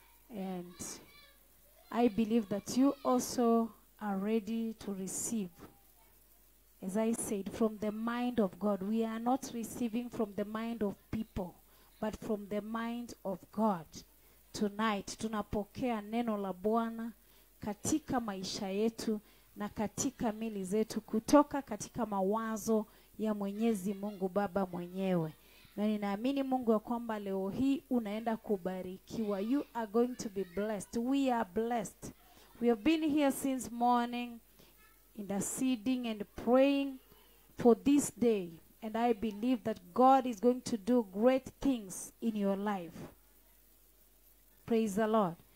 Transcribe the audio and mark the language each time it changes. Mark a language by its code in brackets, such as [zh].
[en] And I believe that you also are ready to receive. As I said, from the mind of God. We are not receiving from the mind of people, but from the mind of God. Tonight, [sw] tunapokea neno la Bwana katika maisha yetu na katika mili zetu kutoka katika mawazo ya Mwenyezi Mungu Baba mwenyewe. Na ninaamini Mungu kwamba leo hii unaenda kubarikiwa. [en] You are going to be blessed. We are blessed. We have been here since morning interceding and praying for this day. And I believe that God is going to do great things in your life. Praise the Lord.